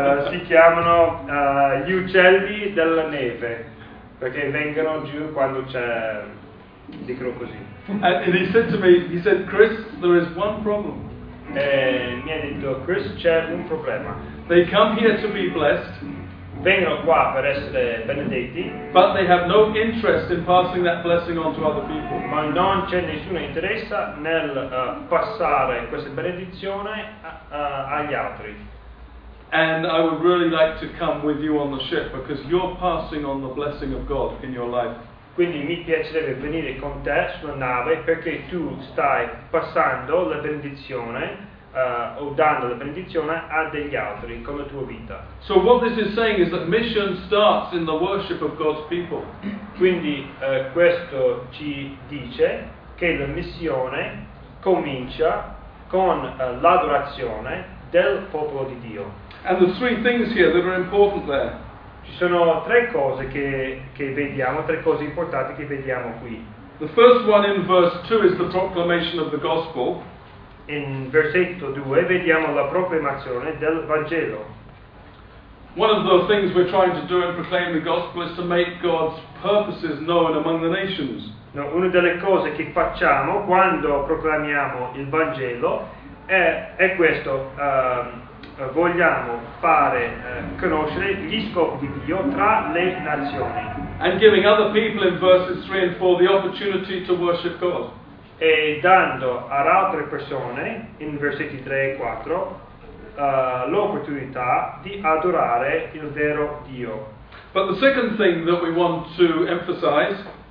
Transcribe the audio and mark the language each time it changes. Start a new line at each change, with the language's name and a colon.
Italian: si chiamano gli uccelli della neve, perché vengono giù quando c'è, dicono così.
English: And he said to me, he said, Chris, there is one problem.
Italian: E mi ha detto, Chris, c'è un problema.
English: They come here to be blessed.
Italian: Vengono qua per essere benedetti,
English: but they have no interest in passing that blessing on to other people.
Italian: Ma non c'è nessuna interesse nel passare questa benedizione agli altri.
English: And I would really like to come with you on the ship because you're passing on the blessing of God in your life.
Italian: Quindi mi piacerebbe venire con te sulla nave perché tu stai passando la benedizione. O dando la benedizione a degli altri come tua vita.
English: So what this is saying is that mission starts in the worship of God's people.
Italian: Quindi questo ci dice che la missione comincia con l'adorazione del popolo di Dio.
English: And the three things here that are important there.
Italian: Ci sono tre cose che vediamo, tre cose importanti che vediamo qui.
English: The first one in verse 2 is the proclamation of the gospel.
Italian: In versetto 2 vediamo la proclamazione del Vangelo.
English: One of the things we're trying to do in proclaiming the gospel is to make God's purposes known among the nations.
Italian: No, una delle cose che facciamo quando proclamiamo il Vangelo è questo: vogliamo fare conoscere gli scopi di Dio tra le nazioni.
English: And giving other people in verses 3 and 4 the opportunity to worship God.
Italian: E dando ad altre persone, in versetti 3 e 4, l'opportunità di adorare il vero Dio.
English: But the second thing that we want to emphasize,